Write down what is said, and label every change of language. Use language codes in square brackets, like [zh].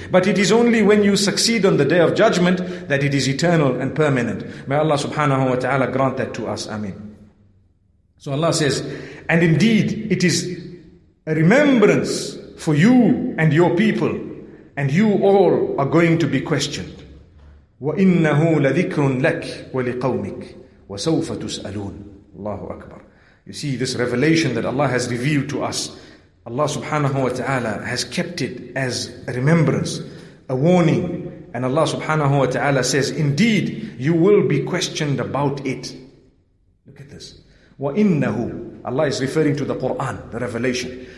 [en] But it is only when you succeed on the day of judgment that it is eternal and permanent. May Allah subhanahu wa ta'ala grant that to us. Ameen. So Allah says, and indeed it is a remembrance for you and your people, and you all are going to be questioned. [ar] وَإِنَّهُ لَذِكْرٌ لَكْ وَلِقَوْمِكَ وَسَوْفَ تُسْأَلُونَ Allahu Akbar. [en] You see, this revelation that Allah has revealed to us, Allah subhanahu wa ta'ala has kept it as a remembrance, a warning. And Allah subhanahu wa ta'ala says, indeed, you will be questioned about it. Look at this. وَإِنَّهُ Allah is referring to the Qur'an, the revelation.